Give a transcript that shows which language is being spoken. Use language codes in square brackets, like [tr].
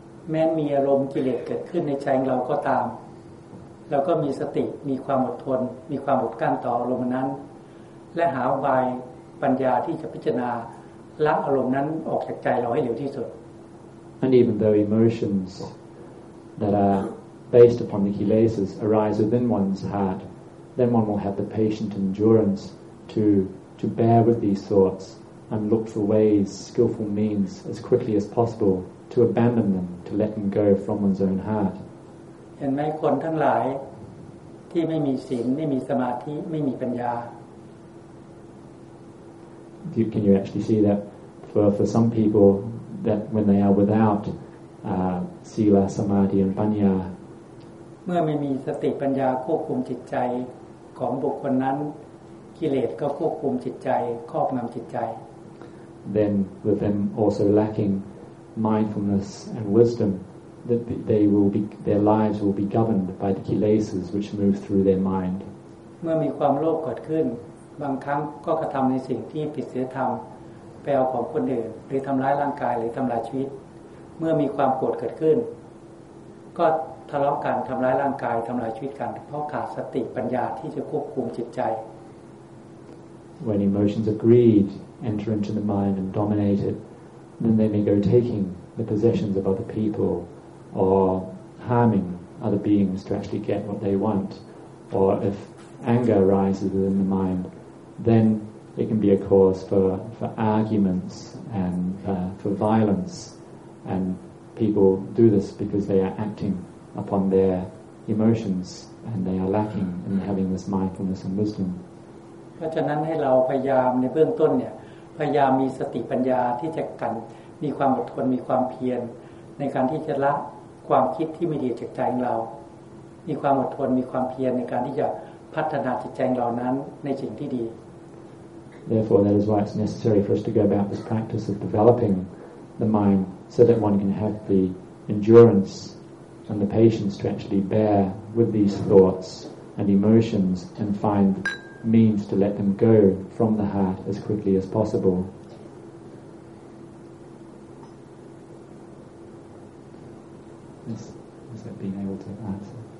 [th] แม้มีอารมณ์กิเลสเกิดขึ้นในใจเราก็ตามเราก็มีสติมีความอดทนมีความอดกลั้นต่ออารมณ์นั้นและหาอบายปัญญาที่จะพิจารณาละอารมณ์นั้นออกจากใจเราให้เร็วที่สุด [en] And even though emotions that are based upon the kilesas arise within one's heart, then one will have the patient endurance to bear with these thoughts and look for ways, skillful means, as quickly as possible to abandon them, to let them go from one's own heart. [th] เห็นไหมคนทั้งหลายที่ไม่มีศีลไม่มีสมาธิไม่มีปัญญา [en] Can you actually see that for some people that when they are without sila, samadhi, and panya? [th] เมื่อไม่มีสติปัญญาควบคุมจิตใจของบุคคลนั้นกิเลสก็ควบคุมจิตใจครอบงำจิตใจ [en] Then with them also lacking mindfulness and wisdom, that they will be, their lives will be governed by the kilesas which move through their mind. [th] เมื่อมีความโลภเกิดขึ้นบางครั้งก็กระทำในสิ่งที่ผิดศีลธรรมไปเอาของคนอื่นหรือทำร้ายร่างกายหรือทำลายชีวิตเมื่อมีความโกรธเกิดขึ้นก็ทะเลาะกันทำร้ายร่างกายทำลายชีวิตกันเพราะขาดสติปัญญาที่จะควบคุมจิตใจ [en] When emotions of greed enter into the mind and dominate it, then they may go taking the possessions of other people or harming other beings to actually get what they want. Or if anger arises within the mind, then it can be a cause for arguments and for violence. And people do this because they are acting upon their emotions and they are lacking in having this mindfulness and wisdom. เพราะฉะนั้นให้เราพยายามในเบื้องต้นเนี่ยพยายามมีสติปัญญาที่จะกันมีความอดทนมีความเพียรในการที่จะละความคิดที่ไม่ดีจากใจของเรามีความอดทนมีความเพียรในการที่จะพัฒนาจิตใจของเรานั้นในสิ่งที่ดี Therefore that is why it's necessary for us to go about this practice of developing the mind so that one can have the endurance and the patience to actually bear with these thoughts and emotions and find means to let them go from the heart as quickly as possible Is that being able to answer?